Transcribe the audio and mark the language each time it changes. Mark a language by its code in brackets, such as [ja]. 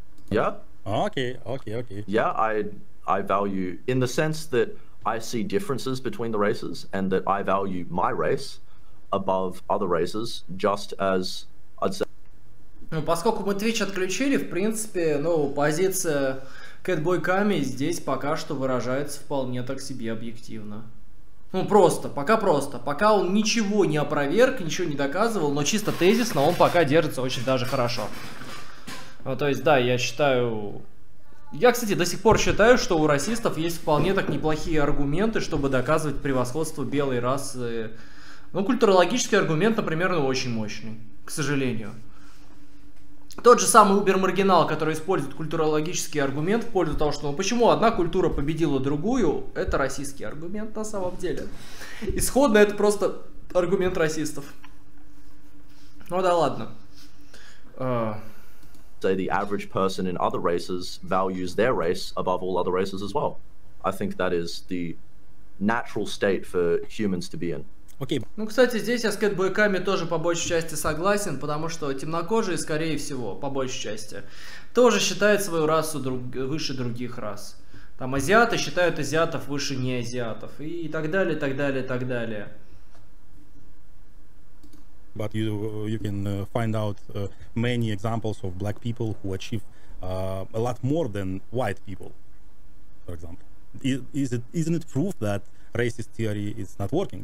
[en] Yeah? Okay. Yeah, I value, in the sense that I see differences between the races and that I value my race above other races, just as I'd say... [ru] Ну, поскольку мы Twitch отключили, в принципе, ну, позиция Catboy Kami здесь пока что выражается вполне так себе объективно. Ну, просто, пока просто. Пока он ничего не опроверг, ничего не доказывал, но чисто тезисно он пока держится очень даже хорошо. Ну, то есть, да, я считаю... Я, кстати, до сих пор считаю, что у расистов есть вполне так неплохие аргументы, чтобы доказывать превосходство белой расы. Ну, культурологический аргумент, например, ну, очень мощный, к сожалению. Тот же самый убермаргинал, который использует культурологический аргумент в пользу того, что ну, почему одна культура победила другую, это расистский аргумент на самом деле. Исходно это просто аргумент расистов. Ну да ладно. [en] Say the average person in other races values their race above all other races as well. I think that is the natural state for humans to be in. Okay. [ru] Ну, кстати, здесь я с Catboy Kami тоже по большей части согласен, потому что темнокожие, скорее всего, по большей части, тоже считают свою расу выше других рас. Там азиаты считают азиатов выше не азиатов и так далее, так далее, так далее. [en] But you can find out many examples of black people who achieve a lot more than white people, for example. Isn't it proof that racist theory is not working?